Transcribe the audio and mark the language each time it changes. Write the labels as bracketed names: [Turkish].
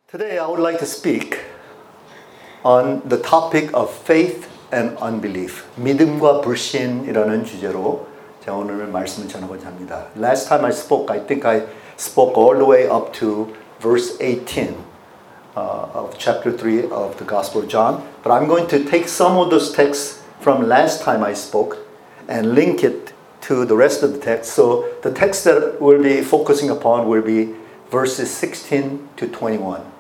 [English] Today, I would like to speak on the topic of faith and unbelief. [Korean] 믿음과 불신이라는 주제로 제가 오늘 말씀을 전하고자 합니다. [English] Last time I spoke, I think I spoke all the way up to verse 18 of chapter 3 of the Gospel of John. But I'm going to take some of those texts from last time I spoke and link it to the rest of the text. So the text that we'll be focusing upon will be verses 16 to 21.